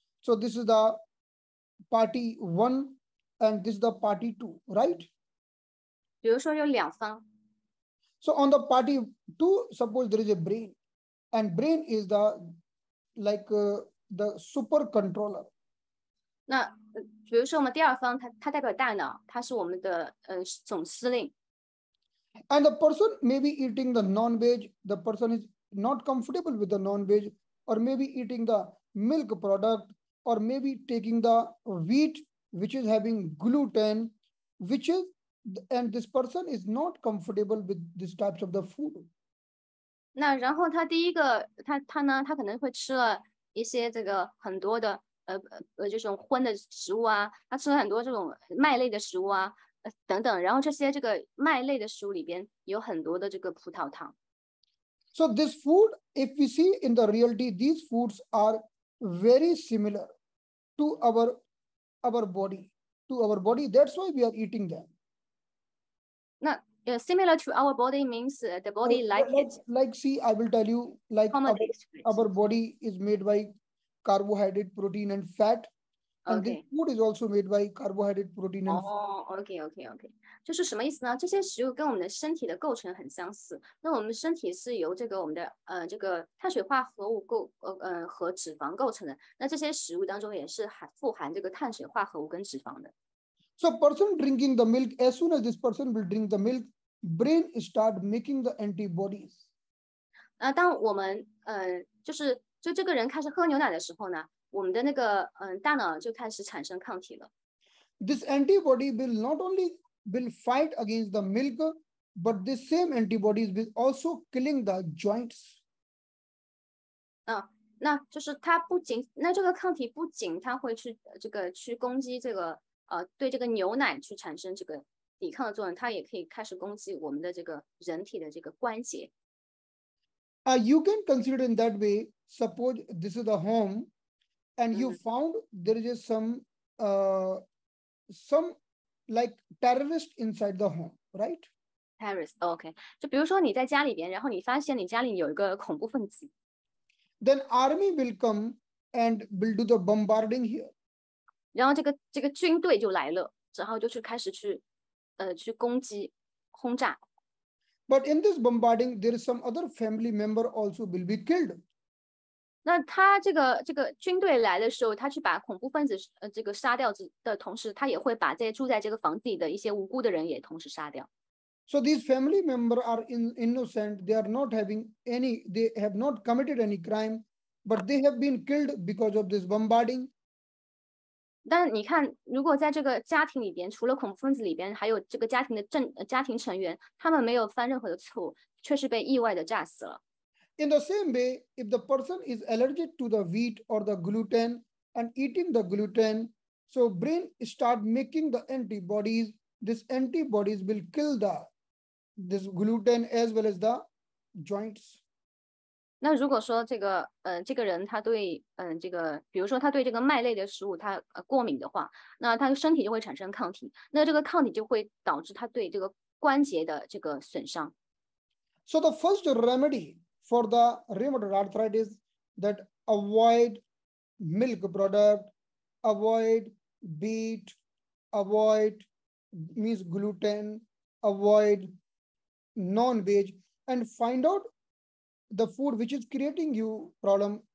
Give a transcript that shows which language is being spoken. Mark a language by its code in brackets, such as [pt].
[en] So this is the party one, and this is the party two, right? [zh] 比如说有两方。 [en] So on the party two, suppose there is a brain, and brain is the like the super controller. [zh] 那比如说我们第二方，它代表大脑，它是我们的总司令。 [en] And the person may be eating the non-veg, the person is not comfortable with the non-veg, or maybe eating the milk product, or maybe taking the wheat, which is having gluten, and this person is not comfortable with these types of the food. [zh] 那然后他第一个，他呢，他可能会吃了一些这个很多的这种荤的食物啊，他吃了很多这种麦类的食物啊。等等，然后这些这个麦类的食物里边有很多的这个葡萄糖。 [en] So this food, if we see in the reality, these foods are very similar to our body. That's why we are eating them. 那 similar to our body means the body I will tell you, our body is made by carbohydrate, protein, and fat. And okay. This food is also made by carbohydrate, protein, and fat. Okay. [zh] 就是什么意思呢？这些食物跟我们的身体的构成很相似。那我们身体是由这个我们的这个碳水化合物构和脂肪构成的。那这些食物当中也是富含这个碳水化合物跟脂肪的。 [en] So, person drinking the milk, as soon as this person will drink the milk, brain start making the antibodies. [zh] 当我们就这个人开始喝牛奶的时候呢？我们的那个大脑就开始产生抗体了。 [en] This antibody will not only will fight against the milk, but this same antibody is also killing the joints. [zh] 那就是它不仅那这个抗体不仅它会去这个去攻击这个对这个牛奶去产生这个抵抗的作用，它也可以开始攻击我们的这个人体的这个关节。 [en] You can consider in that way. Suppose this is the home. And you found there is some like terrorist inside the home, right? Terrorist, okay. [zh] 就比如说你在家里边，然后你发现你家里有一个恐怖分子。 [en] Then army will come and will do the bombarding here. [zh] 然后这个军队就来了，然后就是开始去攻击、轰炸。 [en] But in this bombarding, there is some other family member also will be killed. [zh] 那他这个军队来的时候，他去把恐怖分子这个杀掉的同时，他也会把这些住在这个房子里的一些无辜的人也同时杀掉。 [en] So these family members are innocent. They are not having any. They have not committed any crime, but they have been killed because of this bombarding. [zh] 但你看，如果在这个家庭里边，除了恐怖分子里边，还有这个家庭成员，他们没有犯任何的错误，却是被意外的炸死了。 [en] In the same way, if the person is allergic to the wheat or the gluten and eating the gluten, so brain start making the antibodies. These antibodies will kill this gluten as well as the joints. [zh] 那如果说这个人他对这个，比如说他对这个麦类的食物他过敏的话，那他身体就会产生抗体，那这个抗体就会导致他对这个关节的这个损伤。 [en] So the first remedy. For the rheumatoid arthritis, that avoid milk product, avoid wheat, avoid means gluten, avoid non-veg, and find out the food which is creating you problem.